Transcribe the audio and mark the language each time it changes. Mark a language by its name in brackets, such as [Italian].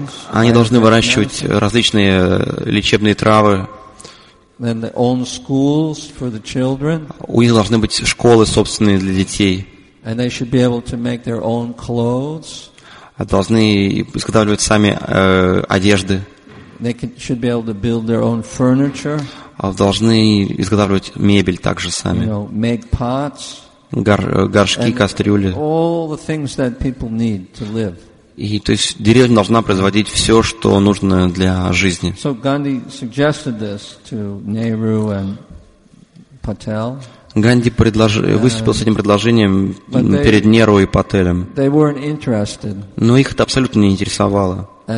[Russian] Они должны выращивать различные лечебные травы. У них должны быть школы собственные для детей. [English] And they should be able to make their own clothes. [Russian] Должны изготавливать сами одежды. [English] They should be able to build their own furniture. [Russian] Должны изготавливать мебель также сами. [English] You know, make pots. [Russian] Горшки, кастрюли. [English] All the things that people need to live. [Russian] И то есть деревня должна производить все, что нужно для жизни. [English] So Gandhi suggested this to Nehru and Patel. [Russian] Ганди выступил с этим предложением перед Неру и Пателем. Но их это абсолютно не интересовало.